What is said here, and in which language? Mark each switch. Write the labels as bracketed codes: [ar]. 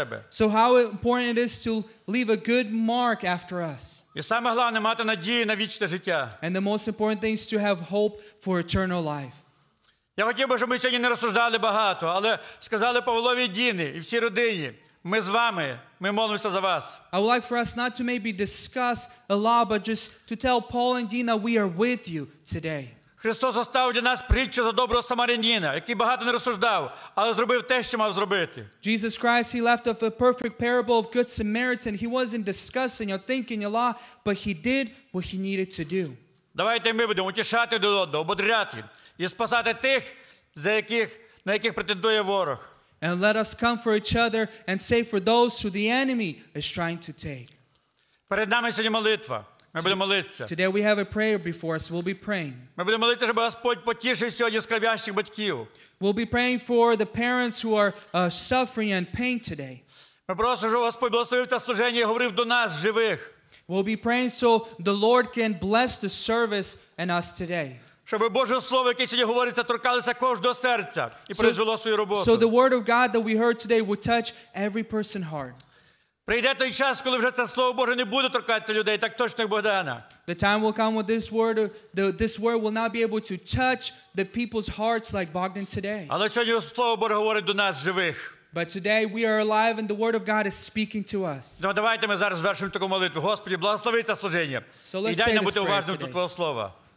[en] So how important it is to leave a good mark after us. And the most important thing is to have hope for eternal life. [uk] Я хотів би, щоб ми сьогодні не розсуждали багато, але сказали Павлові Діні і всій родині, ми з вами, ми молимося за вас. [en] I would like for us not to maybe discuss a lot, but just to tell Paul and Dina we are with you today. [uk] Христос оставив для нас притчу за доброго самарянина, який багато не розсуждав, але зробив те, що мав зробити. [en] Jesus Christ, he left off a perfect parable of good Samaritan. He wasn't discussing or thinking a lot, but he did what he needed to do. [uk] Давайте ми будемо утішати один одного, ободряти і спасати тих, за яких, на яких претендує ворог. [en] And let us comfort each other and save for those who the enemy is trying to take. [uk] Перед нами сьогодні молитва. Ми будемо молитися. [en] Today we have a prayer before us. We'll be praying. [uk] Ми будемо молитися, щоб Господь потішив сьогодні скорбящих батьків. [en] We'll be praying for the parents who are suffering and pain today. [uk] Ми просимо, щоб Господь благословив це служення і говорив до нас, живих. [en] We'll be praying so the Lord can bless the service and us today. [uk] Щоб Боже слово, яке сьогодні говориться, торкалося кожного серця і призвело свою роботу. [en] So the word of God that we heard today would touch every person's heart. [uk] Прийде той час, коли вже це слово Боже не буде торкатися людей, так точно, як Богдана. [en] The time will come when this word will not be able to touch the people's hearts like Bogdan today. [uk] Але сьогодні слово Боже говорить до нас живих. [en] But today we are alive and the word of God is speaking to us. [uk] Ну давайте ми зараз звершимо таку молитву. Господи, благослови це служення. [en] So let's say this prayer today. [uk] До твого слова.